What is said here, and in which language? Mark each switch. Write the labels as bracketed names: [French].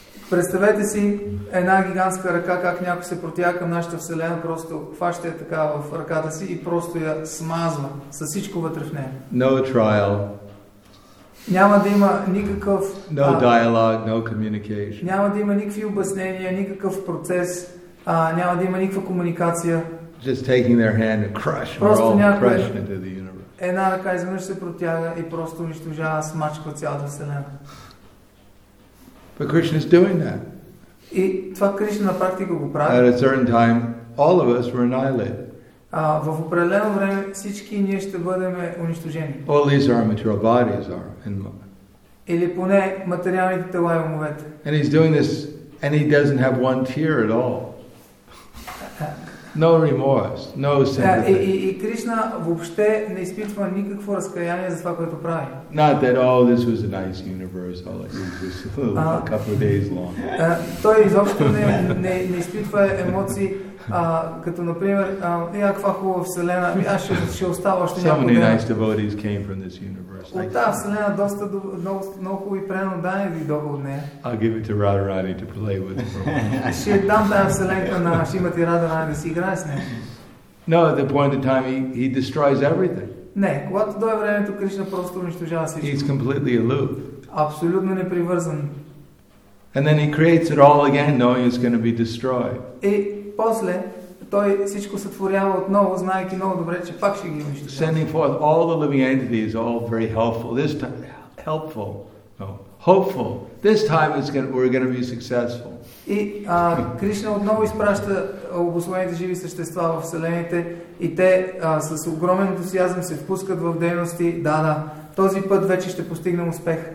[Bulgarian] Представете си една гигантска ръка, как някой се протяга към нашата вселена, просто хваща я така в ръката си и просто я смазва с всичко вътре в нея. [English] No trial. [Bulgarian] Няма да има никакъв [English] no dialogue, no communication. [Bulgarian] Няма да има никакви обяснения, никакъв процес, няма да има никаква комуникация. [English] Just taking their hand and crush, [Bulgarian] просто [English] we're all crushed into the universe. [Bulgarian] Една ръка изведнъж се протяга и просто унищожава, смачква цялата вселена. [English] But Krishna is doing that. [Bulgarian] И това Кришна на практика го прави. [English] At a certain time, all of us were annihilated. [Bulgarian] В определено време всички ние ще бъдем унищожени. [English] All these are material bodies are in mind. [Bulgarian] Или поне материалните тела и умовете. [English] And he's doing this, and he doesn't have one tear at all. No remorse, no sympathy. [Bulgarian] Yeah, и Кришна въобще не изпитва никакво разкаяние за това, което прави. [English] Not that all this was a nice universe, all it was just a couple of days long. [Bulgarian] Той изобщо не изпитва емоции, като например, каква хубава вселена, аз ще остава още някога. [English] So many nice devotees came from this universe. [Bulgarian] От тази вселена доста много хубави преноданни ви дойдоха от нея. [English] I'll give it to Radharani to play with. [Bulgarian] Ще дам тази вселенка на Шримати Радхарани да си играе с нея. [English] No, at the point of time he destroys everything. [Bulgarian] Не, когато дойде времето, Кришна просто унищожава всичко. [English] He's completely aloof. [Bulgarian] Абсолютно непривързан. [English] And then he creates it all again, knowing it's going to be destroyed. [Bulgarian] После той всичко сътворява отново, знаейки много добре, че пак ще ги унищожи. [English] Sending forth all the living entities, all very helpful. This time, helpful, no, hopeful. This time we're going to be successful. [Bulgarian] И Кришна отново изпраща обусловените живи същества в вселените и те с огромен ентусиазъм се впускат в дейности. Да, този път вече ще постигнем успех.